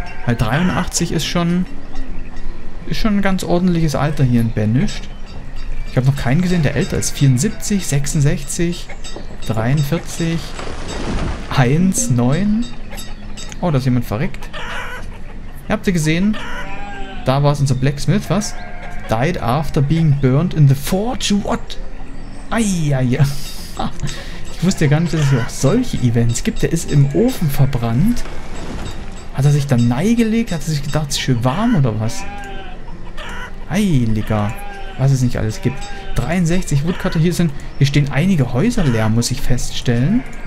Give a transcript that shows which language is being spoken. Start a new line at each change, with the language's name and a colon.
German: Weil 83 ist schon... Ist schon ein ganz ordentliches Alter hier in Banished. Ich habe noch keinen gesehen, der älter ist. 74, 66, 43, 1, 9. Oh, da ist jemand verreckt. Habt ihr gesehen? Da war es unser Blacksmith, was?
English: Died after being burned in the forge, what? Eieie.
German: Ich wusste ja gar nicht, dass es hier auch solche Events gibt. Der ist im Ofen verbrannt. Hat er sich dann neigelegt? Hat er sich gedacht, es ist schön warm oder was? Heiliger, was es nicht alles gibt. 63 Woodcutter, hier stehen einige Häuser leer, muss ich feststellen.